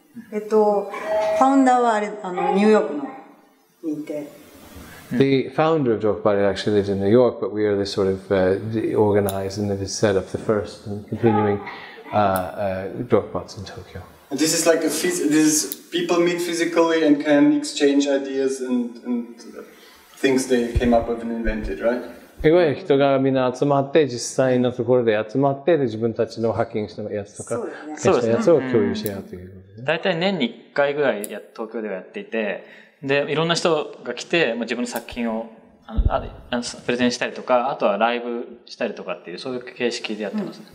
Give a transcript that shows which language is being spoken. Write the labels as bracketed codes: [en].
[ja] ファウンダーはあれニューヨークの認定。 [en] The founder of Dogbot actually lives in New York, but we are the sort of the organized and the set up the first and continuing Dogbots in Tokyo. This is like people meet physically and can exchange ideas and things they came up with and invented, right? [ja] いわゆる人がみんな集まって、実際のところで集まって、で自分たちのハッキングしたやつとか、そうですね、やつを共有し合うということですね。大体年に1回ぐらい東京ではやっていて、で、いろんな人が来て、自分の作品をプレゼンしたりとか、あとはライブしたりとかっていう、そういう形式でやってますね。